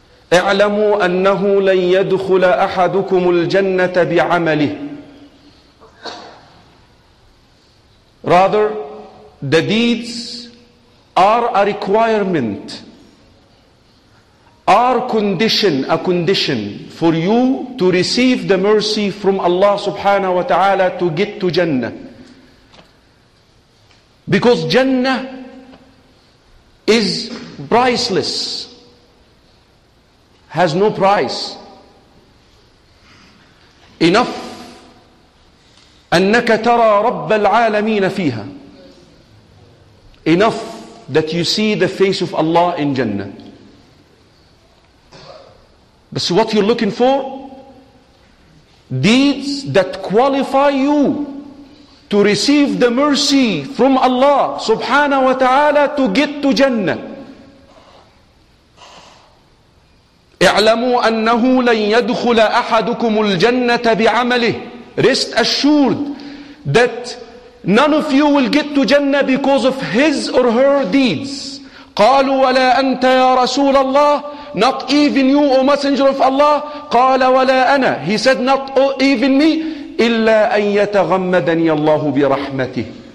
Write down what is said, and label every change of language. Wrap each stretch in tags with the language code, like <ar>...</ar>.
<ar>اعلموا أنه لن يدخل أحدكم الجنة بعمله.</ar> <en>Rather, the deeds are a requirement, are condition, a condition for you to receive the mercy from Allah subhanahu wa ta'ala to get to Jannah. Because Jannah is priceless. Has no price. Enough.</en> <ar>أنك ترى رب العالمين فيها.</ar> <en>Enough that you see the face of Allah in Jannah. But so what you're looking for? Deeds that qualify you to receive the mercy from Allah subhanahu wa ta'ala to get to Jannah.</en> <ar>اعلموا أنه لن يدخل أحدكم الجنة بعمله.</ar> <en>Rest assured that none of you will get to Jannah because of his or her deeds.</en> <ar>قالوا ولا أنت يا رسول الله.</ar> <en>Not even you, O Messenger of Allah.</en> <ar>قال ولا أنا.</ar> <en>He said, not even me.</en> <ar>إلا أن يتغمدني الله برحمته.</ar>